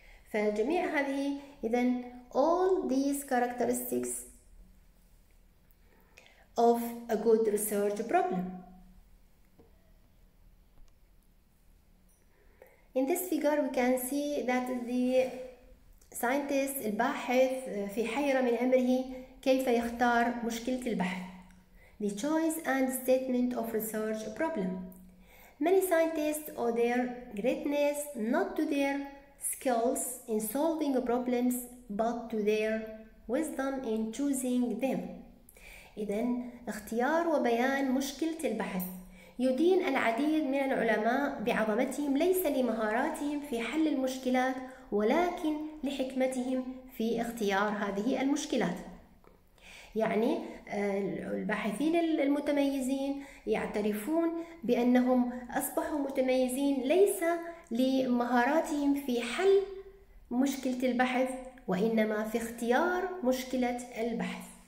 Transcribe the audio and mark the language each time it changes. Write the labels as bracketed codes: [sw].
[ar] فجميع هذه إذا [en] all these characteristics of a good research problem. In this figure we can see that the scientist [ar] الباحث في حيرة من أمره كيف يختار مشكلة البحث. [en] The choice and statement of research problem. Many scientists owe their greatness not to their skills in solving problems but to their wisdom in choosing them. [ar] إذن اختيار وبيان مشكلة البحث. يدين العديد من العلماء بعظمتهم ليس لمهاراتهم في حل المشكلات ولكن لحكمتهم في اختيار هذه المشكلات. يعني الباحثين المتميزين يعترفون بأنهم أصبحوا متميزين ليس لمهاراتهم في حل مشكلة البحث وإنما في اختيار مشكلة البحث.